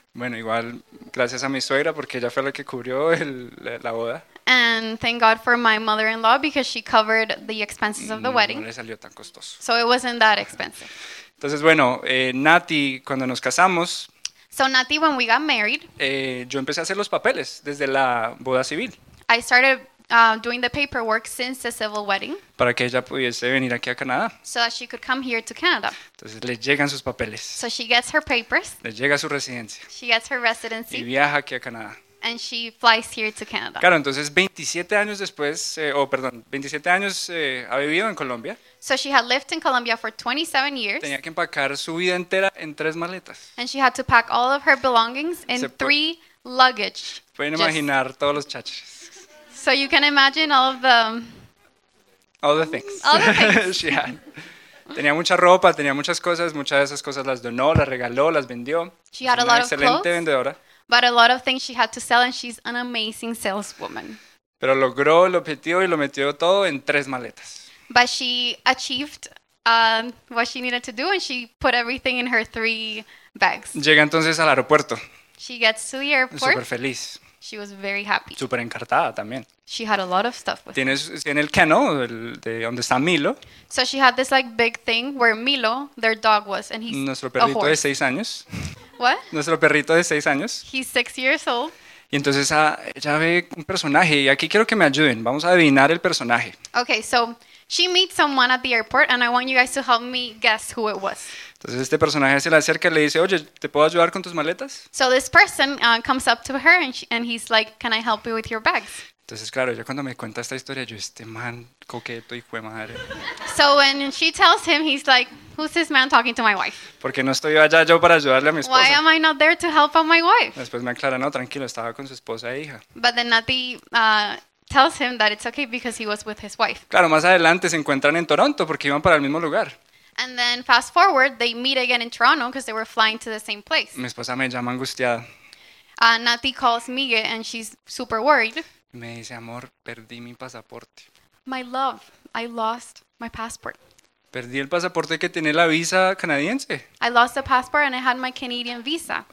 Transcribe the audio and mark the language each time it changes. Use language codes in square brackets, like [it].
[es] Bueno, igual gracias a mi suegra porque ella fue la que cubrió la boda. [en] And thank God for my mother-in-law because she covered the expenses of the wedding. [es] No le salió tan costoso. [en] So it wasn't that expensive. [es] Entonces, bueno, Nati, cuando nos casamos. [en] So Nati, when we got married. [es] Yo empecé a hacer los papeles desde la boda civil. [en] I started doing the paperwork since the civil wedding. [es] Para que ella pudiese venir aquí a Canadá. [en] So that she could come here to Canada. [es] Entonces le llegan sus papeles. [en] So she gets her papers. [es] Le llega su residencia. [en] She gets her residency. [es] Y viaja aquí a Canadá. [en] And she flies here to Canada. [es] Claro, entonces 27 años después, 27 años ha vivido en Colombia. [en] So she had lived in Colombia for 27 years. [es] Tenía que empacar su vida entera en 3 maletas. [en] And she had to pack all of her belongings in 3 luggage. [es] Pueden imaginar todos los chaches. [en] So you can imagine all of the... All the things. All the things. She had. [es] Tenía mucha ropa, tenía muchas cosas. Muchas de esas cosas las donó, las regaló, las vendió. [en] She had a lot of clothes. [es] Excelente vendedora. [en] But a lot of things she had to sell, and she's an amazing saleswoman. [es] Pero logró el objetivo y lo metió todo en 3 maletas. [en] But she achieved what she needed to do, and she put everything in her 3 bags. [es] Llega entonces al aeropuerto. [en] She gets to the airport. [es] Súper feliz. [en] She was very happy. [es] Súper encartada también. [en] She had a lot of stuff with [es] her. Tiene el kennel, de donde está Milo. [en] So she had this like big thing where Milo, their dog was, and he's a horse. [es] Nuestro perrito de 6 años. [en] What? [es] Nuestro perrito de 6 años. [en] He's 6 years old. [es] Y entonces ella ve un personaje. Y aquí quiero que me ayuden. Vamos a adivinar el personaje. [en] Okay, so she meets someone at the airport and I want you guys to help me guess who it was. [es] Entonces este personaje se le acerca y le dice, oye, ¿te puedo ayudar con tus maletas? [en] So this person comes up to her and he's like, can I help you with your bags? [es] Entonces claro, ella cuando me cuenta esta historia, yo, este man coqueto, hijo de madre. [en] So when she tells him, he's like, who's this man talking to my wife? [es] Porque no estoy allá yo para ayudarle a mi esposa. [en] Why am I not there to help out my wife? [es] Después me aclara, no, tranquilo, estaba con su esposa e hija. [en] But then Nati tells him that it's okay because he was with his wife. [es] Claro, más adelante se encuentran en Toronto porque iban para el mismo lugar. [en] And then fast forward, they meet again in Toronto because they were flying to the same place. [es] Mi esposa me llama angustiada. [en] Nati calls Miguel and she's super worried. [es] Me dice, amor, perdí mi pasaporte. [en] My love, I lost my passport. [es] Perdí el pasaporte que tiene la visa canadiense. [en] I lost the passport and I had my Canadian visa.